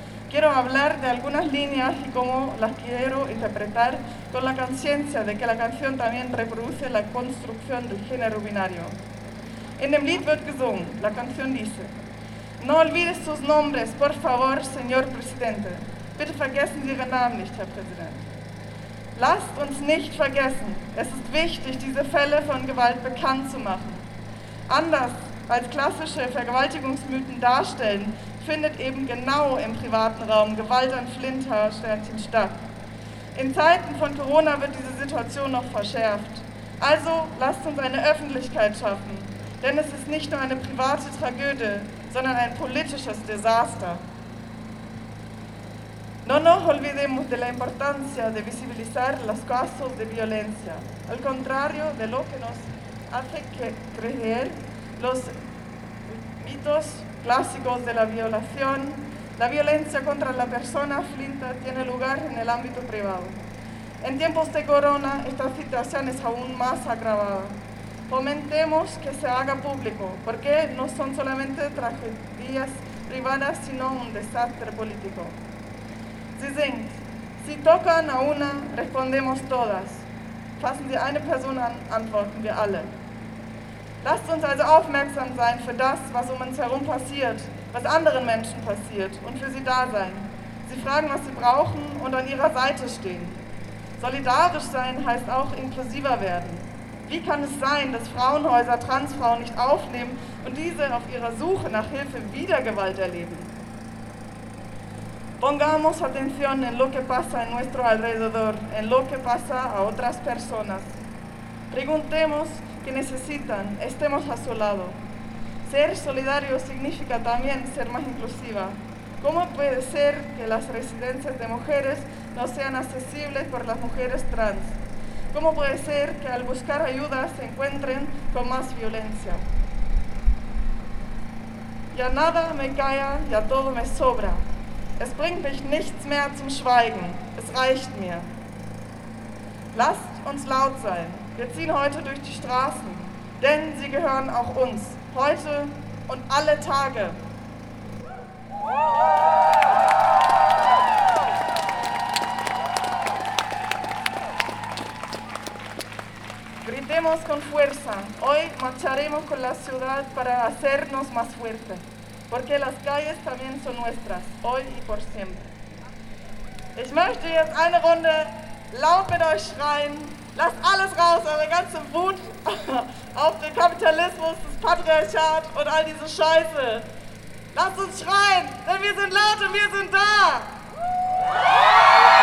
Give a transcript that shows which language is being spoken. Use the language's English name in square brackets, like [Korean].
[Spanish] Quiero hablar de algunas líneas y cómo las quiero interpretar con la conciencia de que la canción también reproduce la construcción del género binario. En el [German] Lied wird gesungen, [Spanish] la canción dice: No olvides sus nombres, por favor, señor presidente. [German] Bitte vergessen Sie Ihren Namen nicht, Herr Präsident. Lasst uns nicht vergessen, es ist wichtig, diese Fälle von Gewalt bekannt zu machen. Anders als klassische Vergewaltigungsmythen darstellen, findet eben genau im privaten Raum Gewalt an Flinter-Sternchen statt. In Zeiten von Corona wird diese Situation noch verschärft. Also lasst uns eine Öffentlichkeit schaffen, denn es ist nicht nur eine private Tragödie, sondern ein politisches Desaster. [Spanish] No nos olvidemos de la importancia de visibilizar los casos de violencia. Al contrario de lo que nos hace creer los mitos clásicos de la violación, la violencia contra la persona flinta tiene lugar en el ámbito privado. En tiempos de corona, esta situación es aún más agravada. Fomentemos que se haga público, porque no son solamente tragedias privadas, sino un desastre político. [German] Sie singt, [Spanish] si tocan a una, respondemos todas. [German] Fassen Sie eine Person an, antworten wir alle. Lasst uns also aufmerksam sein für das, was um uns herum passiert, was anderen Menschen passiert und für sie da sein. Sie fragen, was sie brauchen und an ihrer Seite stehen. Solidarisch sein heißt auch inklusiver werden. Wie kann es sein, dass Frauenhäuser Transfrauen nicht aufnehmen und diese auf ihrer Suche nach Hilfe wieder Gewalt erleben? [Spanish] Pongamos atención en lo que pasa en nuestro alrededor, en lo que pasa a otras personas. Preguntemos qué necesitan, estemos a su lado. Ser solidario significa también ser más inclusiva. ¿Cómo puede ser que las residencias de mujeres no sean accesibles para las mujeres trans? ¿Cómo puede ser que al buscar ayuda se encuentren con más violencia? Ya nada me calla, ya todo me sobra. [German] Es bringt mich nichts mehr zum Schweigen, es reicht mir. Lasst uns laut sein, wir ziehen heute durch die Straßen, denn sie gehören auch uns, heute und alle Tage. [Spanish] Gritemos con fuerza, hoy marcharemos con la ciudad para hacernos más fuertes. Porque las calles también son nuestras, hoy y por siempre. [German] Ich möchte jetzt eine Runde laut mit euch schreien. Lasst alles raus, eure ganze Wut auf den Kapitalismus, das Patriarchat und all diese Scheiße. Lasst uns schreien, denn wir sind laut und wir sind da.